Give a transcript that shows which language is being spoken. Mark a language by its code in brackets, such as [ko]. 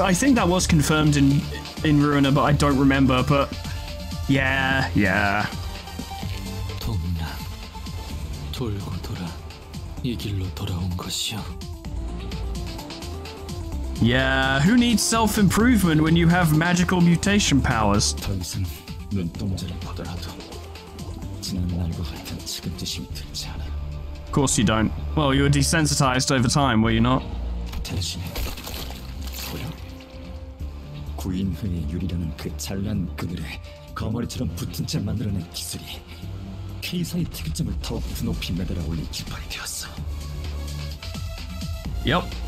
[en] I think that was confirmed in Ruina, but I don't remember, but yeah. [ko] 동랑 돌고 돌아 이 길로 돌아온 것이요. [en] Yeah, who needs self-improvement when you have magical mutation powers? [ko] 더 이상 눈동자를 보더라도 지난 날과 같은 지금지심이 들지 않아. [en] Of course you don't. Well, you were desensitized over time, were you not? [ko] 대신에 구인회의 유리라는 그 찬란 그늘에 거머리처럼 붙은 채 만들어낸 기술이 K사의 특이점을 더욱 높이 매달아 올릴 기판이 되었어. [en] Yep.